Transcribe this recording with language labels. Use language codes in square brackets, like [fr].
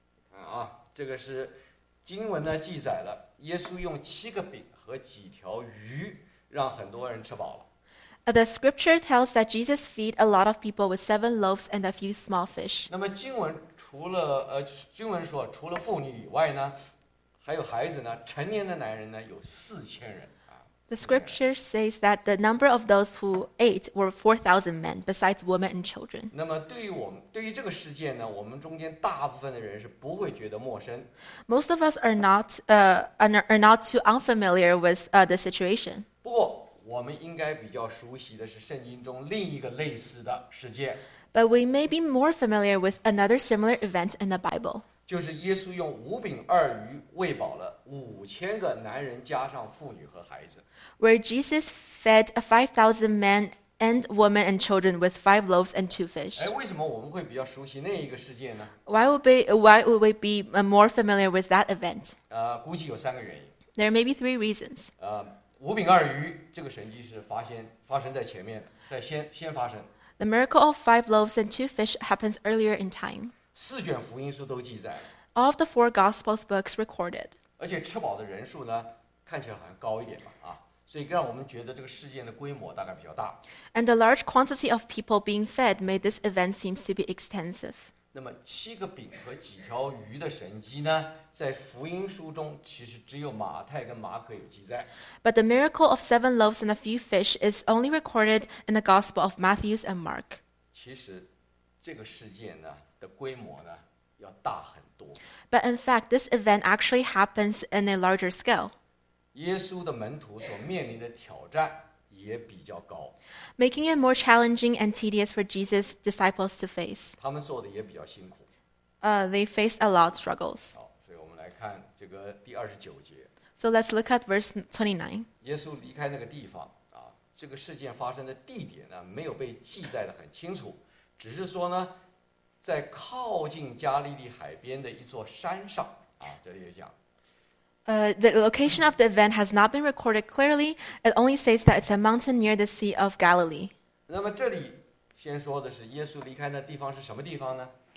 [zh] 看啊，这个是经文呢记载了。耶稣用七个饼和几条鱼让很多人吃饱了。 [en] The scripture tells that Jesus feed a lot of people with 7 loaves and a few small fish. [zh] 那么经文除了经文说除了妇女以外呢，还有孩子呢，成年的男人呢有4000人。 [en] The scripture says that the number of those who ate were 4,000 men, besides women and children. [zh] 那么对于我们，对于这个世界呢，我们中间大部分的人是不会觉得陌生。 [en] Most of us are not too unfamiliar with the situation. [zh] 不过我们应该比较熟悉的是圣经中另一个类似的事件。 [en] But we may be more familiar with another similar event in the Bible. [zh] 就是耶稣用五饼二鱼喂饱了五千个男人加上妇女和孩子。 [en] Where Jesus fed 5,000 men and women and children with 5 loaves and 2 fish. [zh] 哎，为什么我们会比较熟悉那一个事件呢？ [en] Why would we be more familiar with that event? [zh] 估计有三个原因。 [en] There may be 3 reasons. [zh] 五饼二鱼这个神迹是发生在前面的，在先发生。 [en] The miracle of 5 loaves and 2 fish happens earlier in time. [zh] 四卷福音书都记载。 [en] All of the 4 Gospels books recorded. [zh] 而且吃饱的人数呢，看起来好像高一点嘛，啊，所以让我们觉得这个事件的规模大概比较大。 [en] And the large quantity of people being fed made this event seem to be extensive. [zh] 那么七个饼和几条鱼的神迹呢，在福音书中其实只有马太跟马可有记载。 [en] But the miracle of 7 loaves and a few fish is only recorded in the Gospel of Matthew and Mark. [zh] 其实这个事件呢的规模呢要大很多。 [en] But in fact, this event actually happens in a larger scale. [zh] 耶稣的门徒所面临的挑战也比较高。 [en] Making it more challenging and tedious for Jesus' disciples to face. [zh] 他们做的也比较辛苦。 [en] They faced a lot of struggles. [zh] 好，所以我们来看这个第二十九节。 [en] So let's look at verse 29. [zh] 耶稣离开那个地方，啊，这个事件发生的地点呢，没有被记载的很清楚，只是说呢在靠近加利利海边的一座山上，啊，这里也讲。 [en] The location of the event has not been recorded clearly. It only says that it's a mountain near the Sea of Galilee. [zh] 那么这里先说的是耶稣离开的地方是什么地方呢？